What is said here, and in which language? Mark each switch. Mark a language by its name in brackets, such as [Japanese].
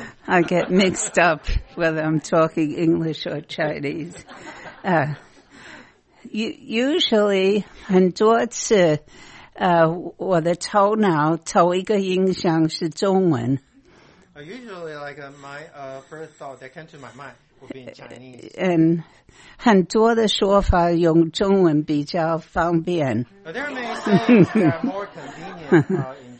[English] I get mixed up whether I'm talking English or Chinese. Usually, [Chinese] 很多次，我的头脑头一个印象是中文。 [English] Usually, like my first thought that came to my mind would be in Chinese. [Chinese] And 很多的说法用中文比较方便。 [English] But there are many things that are more convenient.